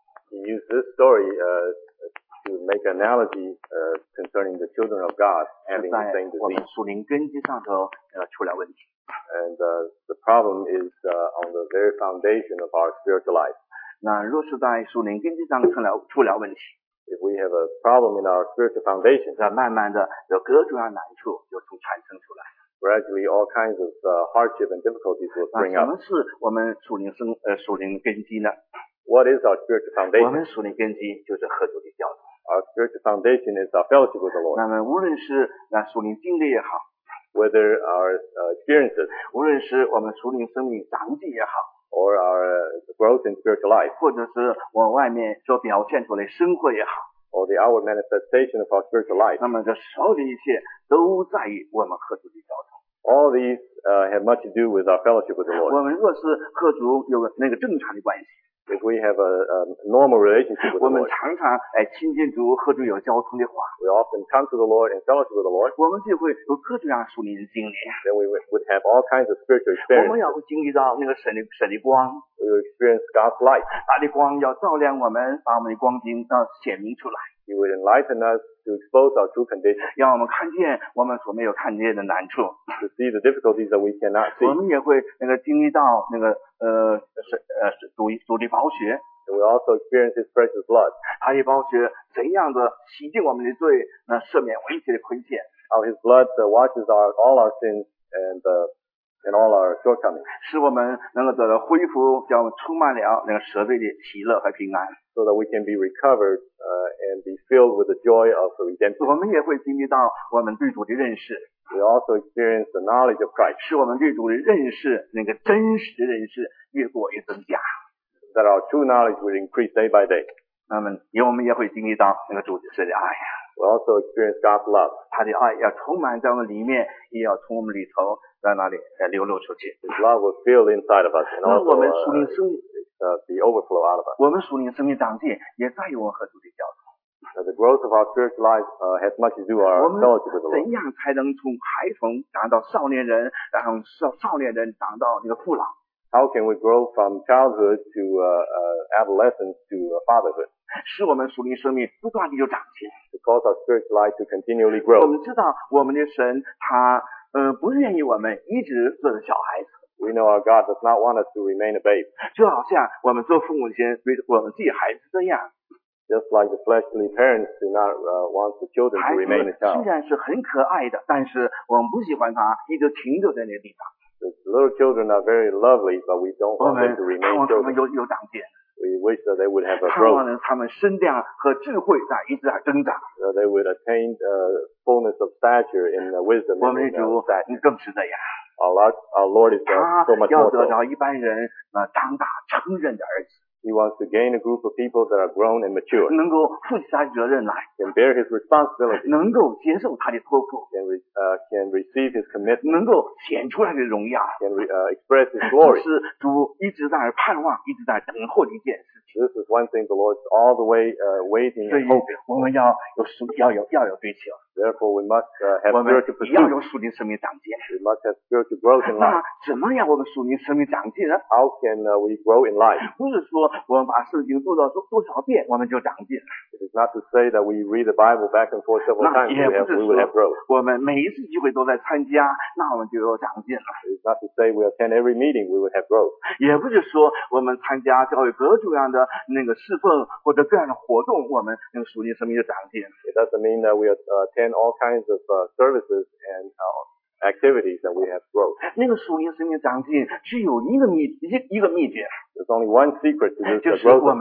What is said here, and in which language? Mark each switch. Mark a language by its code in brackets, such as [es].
[en] He used this story to make an analogy concerning the children of God having the same disease. [zh] 在我们属灵根基上头出了问题。 [en] And the problem is on the very foundation of our spiritual life. [zh] 那若是在属灵根基上出了问题。 [en] If we have a problem in our spiritual foundation, [zh] 那慢慢的有各种样难处就从产生出来。 [en] Gradually, all kinds of hardship and difficulties will spring up. [zh] 那什么是我们属灵根基呢？ [en] What is our spiritual foundation? [zh] 我们属灵根基就是合主的教导。 [en] Our spiritual foundation is our fellowship with the Lord. [zh] 那么无论是那属灵经历也好， [en] whether our experiences, [zh] 无论是我们属灵生命长进也好。 [en] Or our growth in spiritual life, [zh] 或者是我外面所表现出来生活也好， [en] or the outward manifestation of our spiritual life, [zh] 那么这所有的一切都在于我们和主的交通。 [en] All these have much to do with our fellowship with the Lord. [zh] 我们若是和主有那个正常的关系， [en] if we have a normal relationship with the Lord, [zh] 我们常常亲近主和主有交通的话， [en] we often come to the Lord and fellowship with the Lord, [zh] 我们就会有各种各样属灵的经历。 [en] Then we would have all kinds of spiritual experience. [zh] 我们要会经历到那个神的光。 [en] We will experience God's light. [zh] 他的光要照亮我们，把我们的光景要显明出来。 [en] He will enlighten us to expose our true condition. [zh] 让我们看见我们所没有看见的难处。 [en] To see the difficulties that we cannot see. [zh] 我们也会经历到主的宝血。 [en] And we also experience His precious blood. [zh] 他的宝血怎样的洗净我们的罪，那赦免一切的亏欠。 [en] How His blood washes all our sins and all our shortcomings. [zh] 使我们能够得到恢复，叫我们充满了赦罪的喜乐和平安。 [en] So that we can be recovered and be filled with the joy of the redemption. [zh] 我们也会经历到我们对主的认识。 [en] We also experience the knowledge of Christ. [zh] 使我们对主的认识，那个真实的认识越过越增加。 [en] That our true knowledge will increase day by day. [zh] 那么，我们也会经历到那个主的爱。 [en] We also experience God's love. [zh] 他的爱要充满在我们里面，也要从我们里头在那里流露出去。 [en] His love will fill inside of us. [zh] 那我们属灵生命。 [en] The overflow out of us. [zh] 我们属灵生命长进也在于我和主的交通。 [en] The growth of our spiritual life has much to do our fellowship with the Lord. [zh] 怎样才能从孩童长到少年人，然后少年人长到那个父老？ [en] How can we grow from childhood to adolescence to fatherhood? [zh] 使我们属灵生命不断地就长进。 [en] To cause our spiritual life to continually grow. [zh] 我们知道我们的神他不愿意我们一直做着小孩子。 [en] We know our God does not want us to remain a babe. [zh] 就好像我们做父母亲对我们自己孩子这样。 [en] Just like the fleshly parents do not want the children to remain a child. [zh] 虽然是很可爱的，但是我们不喜欢他一直停留在那个地方。 [en] The little children are very lovely, but we don't want them to remain children. [zh] 我们盼望他们有长进。 [en] We wish that they would have a growth. [zh] 盼望他们身量和智慧在一直在增长。 [en] They would attain the fullness of stature in wisdom. [zh] 我们主更是这样。 [en] Our Lord is so much more. [zh] 他要得着一般人长大成人的儿子。 [en] He wants to gain a group of people that are grown and mature. [zh] 能够负起他的责任来。 [en] Can bear his responsibility. [zh] 能够接受他的托付。 [en] Can receive his commitment. [zh] 能够显出来的荣耀。 [en] Can express his glory. [zh] 是主一直在盼望，一直在等候的一件事。 [en] This is one thing the Lord is all the way waiting and hoping. [zh] 我们要有追求。 [en] Therefore, we must have spiritual pursuit. [zh] 要有属灵生命长进。 [en] We must have spiritual growth in life. [zh] 那怎么样我们属灵生命长进呢？ [en] How can we grow in life? [zh] 不是说我们把圣经读到多少遍我们就长进。 [en] It is not to say that we read the Bible back and forth several times. [zh] 那也不是说 [en] we will have growth. [zh] 我们每一次聚会都在参加，那我们就有长进了。 [en] It is not to say we attend every meeting, we will have growth. [zh] 也不是说我们参加教会各种各样的那个侍奉或者各样的活动，我们那个属灵生命就长进。 [en] It doesn't mean that we attend all kinds of services and activities that we have growth. [zh] 那个属灵生命长进只有一个秘诀。 [en] There's only one secret to this growth of